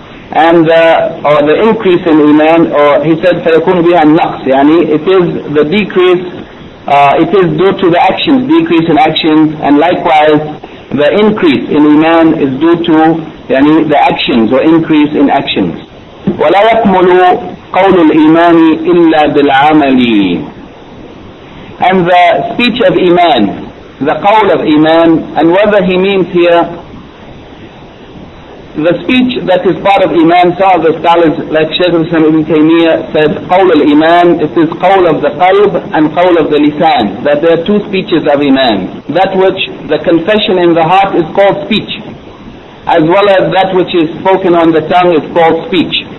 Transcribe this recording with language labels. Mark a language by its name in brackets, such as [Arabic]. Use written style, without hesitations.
[English] And the increase in Iman, or he said [Arabic] فَيَكُونُ بِهَا النَّقْصُ, [English] yani it is the decrease, it is due to the actions, decrease in actions, and likewise the increase in Iman is due to yani the actions, or increase in actions. [Arabic] وَلَا يَكْمُلُ قول الإيمان إلا بالعمل. [English] And the speech of Iman, the قول of Iman, and whether he means here the speech that is part of Iman, some of the scholars like Shaykh Al-Islam Ibn Taymiyyah said [Arabic] قول الإيمان, [English] it is قول of the قلب and قول of the لسان, that there are two speeches of Iman, that which the confession in the heart is called speech, as well as that which is spoken on the tongue is called speech.